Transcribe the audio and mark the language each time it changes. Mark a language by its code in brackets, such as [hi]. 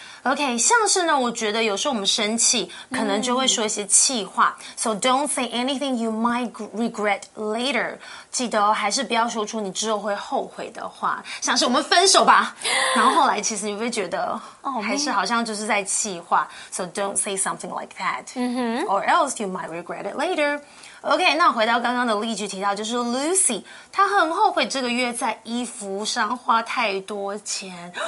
[zh] OK, 像是呢，我觉得有时候我们生气，可能就会说一些气话。 [en] So don't say anything you might regret later. [zh] 记得哦，还是不要说出你之后会后悔的话。像是我们分手吧，然后后来其实你会觉得，还是好像就是在气话。 [en] So don't say something like that. Or else you might regret it later. [zh] OK, 那回到刚刚的例句提到就是 Lucy, 她很后悔这个月在衣服上花太多钱。